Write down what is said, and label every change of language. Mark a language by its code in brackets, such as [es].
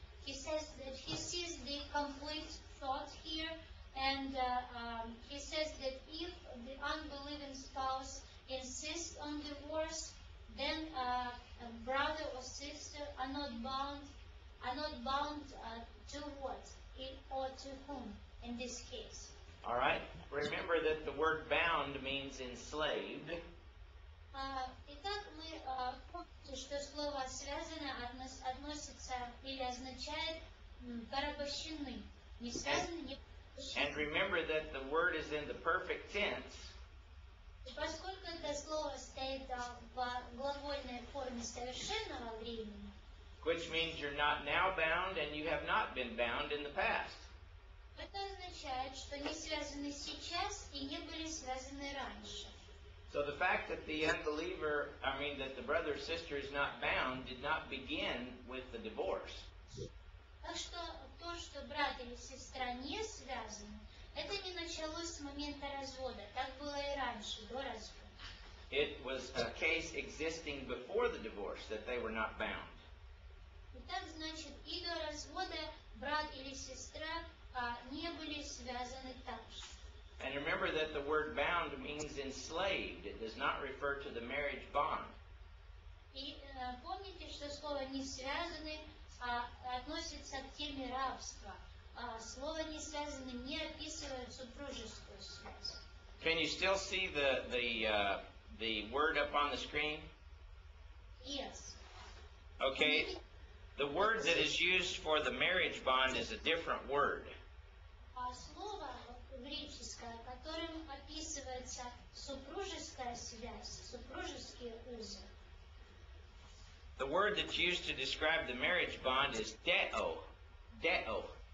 [en] He says that he sees the complete thought here, and he says that if the unbelieving spouse insists on divorce, then a brother or sister are not bound to what it, or to whom in this case. All right. Remember that the word bound means enslaved. [ru] Итак, мы помним, что слово связано относится или означает порабощены. Не связаны, не порабощены. [en] And remember that the word is in the perfect tense. [ru] И поскольку это слово стоит в глагольной форме совершенного времени. [en] Which means you're not now bound and you have not been bound in the past. [ru] Это означает, что не связаны сейчас и не были связаны раньше. [en] So the fact that the unbeliever, I mean that the brother or sister is not bound, did not begin with the divorce. [ru] Так что то, что брат или сестра не связаны, это не началось с момента развода. Так было и раньше, до развода. [en] It was a case existing before the divorce that they were not bound. [ru] Итак, значит, и до развода брат или сестра не были связаны так же. [en] And remember that the word bound means enslaved. It does not refer to the marriage bond. [ru] И помните, что слово не связаны относится к теме рабства. Слово не связаны не описывает супружескую связь. [en] Can you still see the word up on the screen? Yes. Okay. The word that is used for the marriage bond is a different word. [ru] Слово греческое, которым описывается супружеская связь, супружеские узы. [en] The word that's used to describe the marriage bond is deo. Deo.